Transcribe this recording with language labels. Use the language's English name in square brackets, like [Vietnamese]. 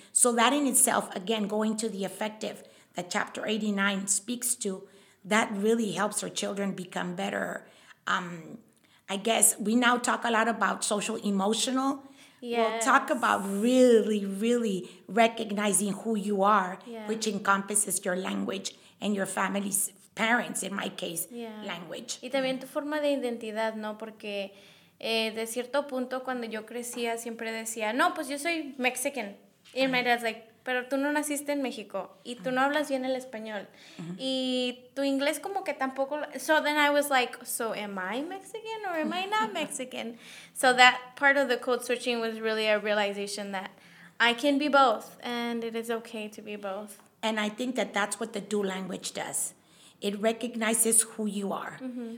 [English] So that in itself, again, going to the effective that chapter 89 speaks to, that really helps our children become better. I guess we now talk a lot about social emotional. Yes. We'll talk about really, really recognizing who you are, yes. Which encompasses your language and your family's parents, in my case, yeah. Language. [Spanish] Y también tu forma de identidad, ¿no? Porque de cierto punto, cuando yo crecía, siempre decía, no, pues yo soy Mexican. Y [English] my dad's like, [Spanish] pero tú no naciste en México. Y tú no hablas bien el español. Uh-huh. Y tu inglés como que tampoco... [English] So then I was like, so am I Mexican or am I not Mexican? So that part of the code switching was really a realization that I can be both. And it is okay to be both. And I think that that's what the dual language does. It recognizes who you are, mm-hmm.